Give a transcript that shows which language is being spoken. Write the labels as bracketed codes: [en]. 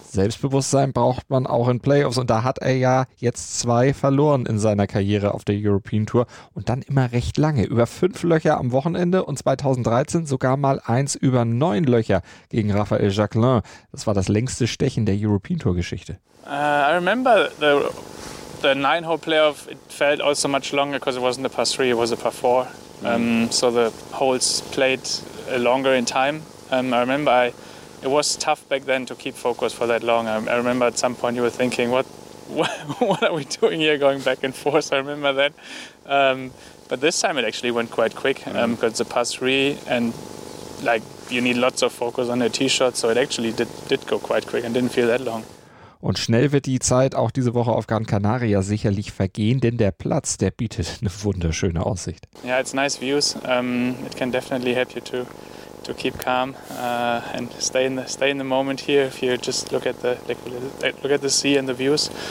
[de] Selbstbewusstsein braucht man auch in Playoffs und da hat er ja jetzt 2 verloren in seiner Karriere auf der European Tour und dann immer recht lange. Über 5 Löcher am Wochenende und 2013 sogar mal 1 über 9 Löcher gegen Raphael Jacquelin. Das war das längste Stechen der European Tour Geschichte. [en] I remember the 9-hole playoff, it felt also much longer because it wasn't a par 3, it was a par 4. Mm-hmm. So the holes played longer in time. I remember it was tough back then to keep focus for that long. I remember at some point you were thinking, what are we doing here going back and forth? I remember that. But this time it actually went quite quick because it's a par 3 and like you need lots of focus on the tee shot. So it actually did go quite quick and didn't feel that long. [de] Und schnell wird die Zeit auch diese Woche auf Gran Canaria sicherlich vergehen, denn der Platz, der bietet eine wunderschöne Aussicht. [en] Ja, yeah, it's nice views. It can definitely help you to keep calm and stay in the moment here. If you just look at the sea and the views.